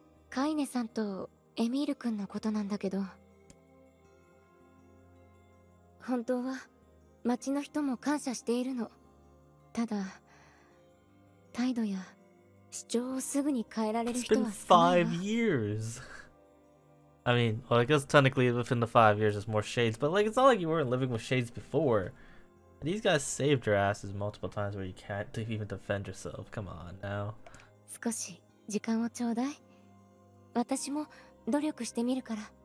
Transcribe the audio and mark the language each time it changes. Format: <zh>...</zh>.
<ja>カイネさんとエミール君のことなんだけど、本当は町の人も感謝しているの。ただ 態度や主張をすぐに変えられる人は少ない。</ja> <en>5 years. I mean, well, I guess technically within the 5 years it's more shades, but like it's not like you weren't living with shades before. These guys saved your asses multiple times where you can't even defend yourself. Come on now.</en> <ja>少し時間をちょうだい。私も努力してみるから。</ja>